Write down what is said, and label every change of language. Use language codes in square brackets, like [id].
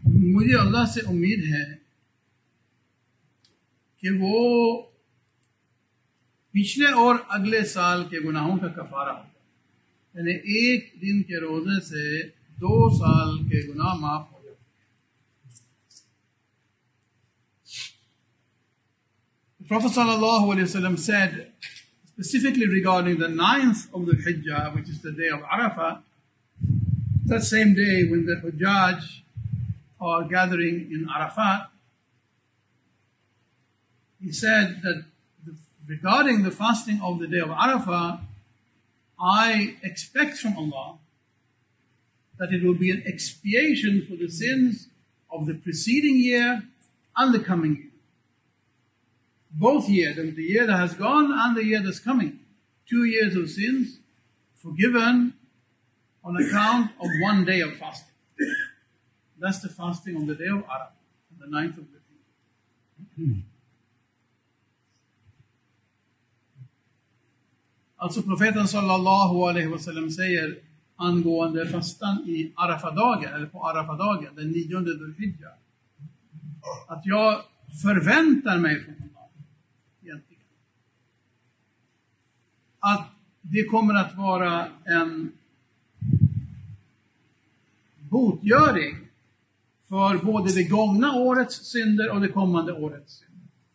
[ur] مجھے اللہ سے امید ہے کہ وہ پچھلے اور اگلے سال کے گناہوں کا کفارہ ہوگا, یعنی ایک دن کے روزے سے 2 سال کے گناہ معاف ہو جائیں. [en] Prophet sallallahu alaihi wasallam said specifically regarding the 9th of the Hijjah, which is the day of Arafah, that same day when the Hujjaj are gathering in Arafat, he said that regarding the fasting of the day of Arafah, I expect from Allah that it will be an expiation for the sins of the preceding year and the coming year. Both years, and the year that has gone and the year that's coming, 2 years of sins forgiven on account of 1 day of fasting. That's the fasting on the day of Arafah, on the 9th of the Hijjah. [sv] Also, Prophet sallallahu alaihi wasallam säger angående fastan i Arafadagen, eller på Arafadagen, den [en] 9th of Hijjah, [sv] att jag förväntar mig från att det kommer att vara en botgöring för både det gångna årets synder och det kommande årets synder.